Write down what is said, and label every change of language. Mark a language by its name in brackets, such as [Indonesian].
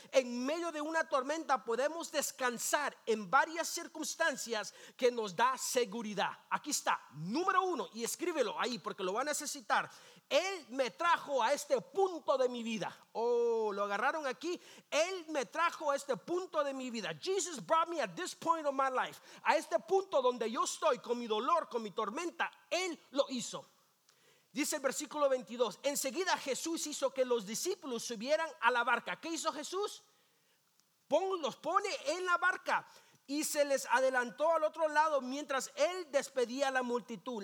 [Spanish] En medio de una tormenta podemos descansar en varias circunstancias que nos da seguridad. Aquí está, número uno, y escríbelo ahí porque lo va a necesitar. Él me trajo a este punto de mi vida. Oh, lo agarraron aquí. Él me trajo a este punto de mi vida. [English] Jesus brought me at this point of my life. [Spanish] A este punto donde yo estoy con mi dolor, con mi tormenta, Él lo hizo. Dice el versículo 22. Enseguida Jesús hizo que los discípulos subieran a la barca. ¿Qué hizo Jesús? Los pone en la barca y se les adelantó al otro lado mientras Él despedía a la multitud.